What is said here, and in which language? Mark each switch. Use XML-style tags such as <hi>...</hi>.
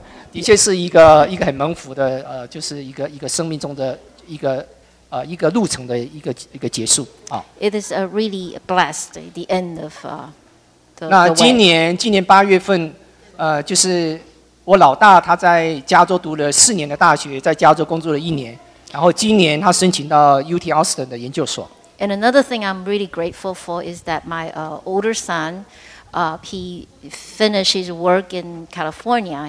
<zh>的确是一个很蒙福的就是一个生命中的一个路程的一个结束啊。</zh> <en>It is a really blessed the end of the</en> <zh>那今年八月份就是我老大他在加州读了四年的大学，在加州工作了一年，然后今年他申请到 UT Austin 的研究所。</zh> <en>And another thing I'm really grateful for is that my older son, he finished his work in California.</en>